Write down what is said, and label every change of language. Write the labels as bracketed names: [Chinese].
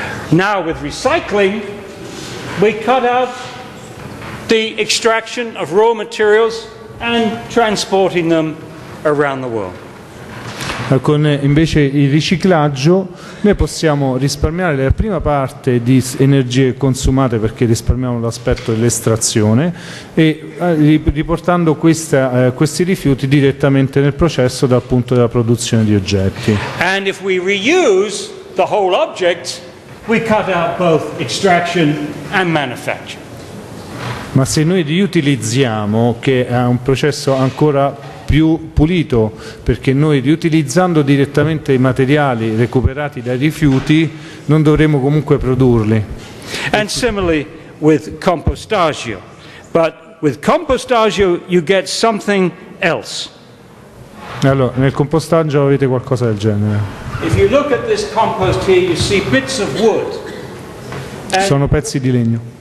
[English] Now with recycling we cut out the extraction of raw materials and transporting them around the world. [Italian] Con invece il riciclaggio noi possiamo risparmiare la prima parte di energie consumate perché risparmiamo l'aspetto dell'estrazione e riportando questi rifiuti direttamente nel processo dal punto della produzione di oggetti. [English] And if we reuse the whole object, we cut out both extraction and manufacture. [Italian] Ma se noi riutilizziamo, che è un processo ancora più pulito, perché noi riutilizzando direttamente i materiali recuperati dai rifiuti non dovremo comunque produrli. [English] And similarly with compostaggio, but with compostaggio you get something else. [Italian] Allora, nel compostaggio avete qualcosa del genere. [English] If you look at this compost here, you see bits of wood. [Italian] Sono pezzi di legno.